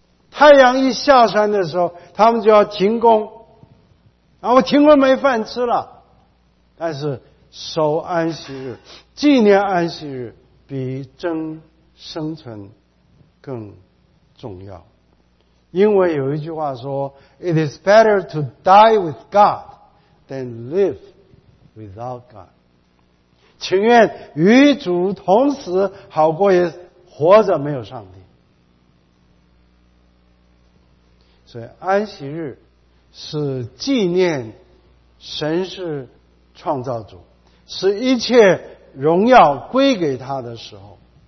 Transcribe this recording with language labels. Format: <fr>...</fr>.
<zh>太阳一下山的时候，他们就要停工，然后停工没饭吃了。但是守安息日，纪念安息日，比争生存更重要。因为有一句话说</zh> <en>：“It is better to die with God than live without God。”</en> <zh>情愿与主同死，好过也活着没有上帝。所以安息日是纪念神是创造主，使一切荣耀归给他的时候。</zh>